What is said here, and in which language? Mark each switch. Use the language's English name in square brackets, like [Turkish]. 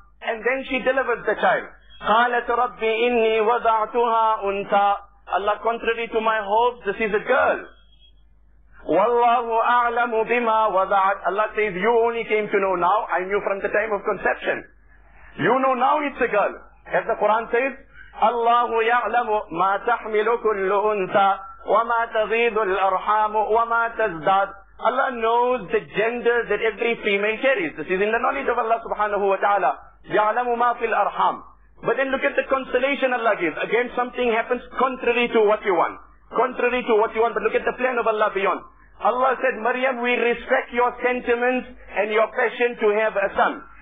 [English] And then she delivered the child. [Arabic] قَالَتْ رَبِّ إِنِّي وَضَعْتُهَا أُنْتَا. [English] Allah, contrary to my hopes, this is a girl. [Arabic] وَاللَّهُ أَعْلَمُ بِمَا وَضَعَتْ. [English] Allah says, you only came to know now. I knew from the time of conception. You know now it's a girl. As the Quran says, [Arabic] اللَّهُ يَعْلَمُ مَا تَحْمِلُ كُلُّ أُنْتَا وَمَا تَغِيدُ الْأَرْحَامُ وَمَا تَزْدَادُ. [English] Allah knows the gender that every female carries. This is in the knowledge of Allah subhanahu wa ta'ala. [Arabic] يَعْلَمُ مَا فِي الْأَرْحَامِ. [English] But then look at the consolation Allah gives. Again, something happens contrary to what you want. But look at the plan of Allah beyond. Allah said, Maryam, we respect your sentiments and your passion to have a son.